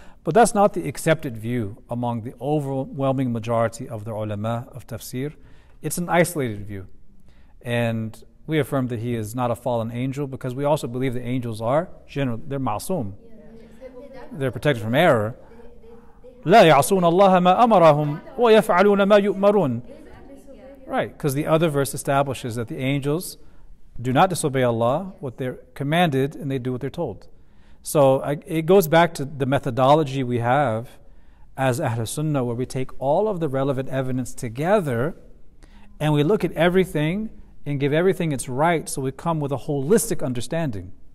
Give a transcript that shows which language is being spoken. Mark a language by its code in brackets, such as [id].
[en] But that's not the accepted view among the overwhelming majority of the ulama of tafsir. It's an isolated view. And we affirm that he is not a fallen angel, because we also believe that angels are generally, they're ma'sum. They're protected from error. [ar] لا يعصون الله ما أمرهم ويفعلون ما يؤمرون. [en] Right, because the other verse establishes that the angels do not disobey Allah what they're commanded, and they do what they're told. So it goes back to the methodology we have as Ahl Sunnah, where we take all of the relevant evidence together and we look at everything and give everything its right, so we come with a holistic understanding.